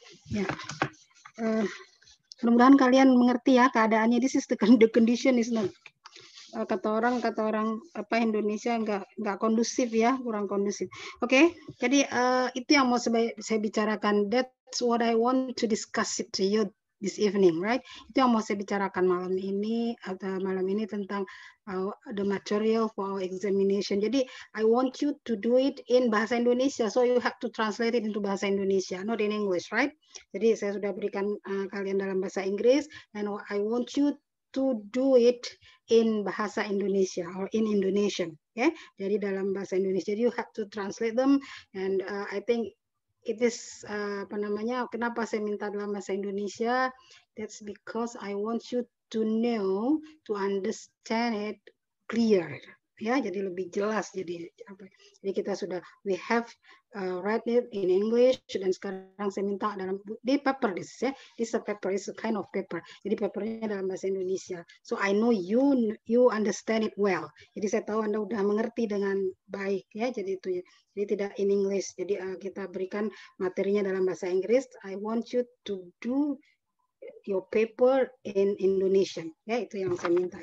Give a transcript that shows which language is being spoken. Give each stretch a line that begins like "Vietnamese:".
Indonesian: Ya. Mudah-mudahan kalian mengerti ya keadaannya. This is the condition is not. Kata orang apa Indonesia enggak kondusif ya, kurang kondusif. Oke. Okay? Jadi itu yang mau saya bicarakan.
English: That's what I want to discuss it to you. This evening, right?
Indonesian: Itu yang mau saya bicarakan malam ini atau malam ini tentang the material for our examination.
English: Jadi, I want you to do it in bahasa Indonesia, so you have to translate it into bahasa Indonesia, not in English, right? Jadi, saya sudah berikan kalian dalam bahasa Inggris, and I want you to do it in bahasa Indonesia or in Indonesian, okay? Jadi dalam bahasa Indonesia, you have to translate them, and I think.
Indonesian: It is apa namanya? Kenapa saya minta dalam bahasa Indonesia?
English: That's because I want you to know to understand it clear,
Indonesian: ya, jadi lebih jelas. Jadi apa? Jadi kita sudah we have read it in English, dan sekarang saya minta dalam di paper this ya.
English: This a paper, is a kind of paper. Jadi papernya dalam bahasa Indonesia. So I know you understand it well.
Indonesian: Jadi saya tahu Anda sudah mengerti dengan baik ya. Jadi itu ya. Jadi tidak in English. Jadi kita berikan materinya dalam bahasa Inggris.
English: I want you to do your paper in Indonesian, ya, itu yang saya minta.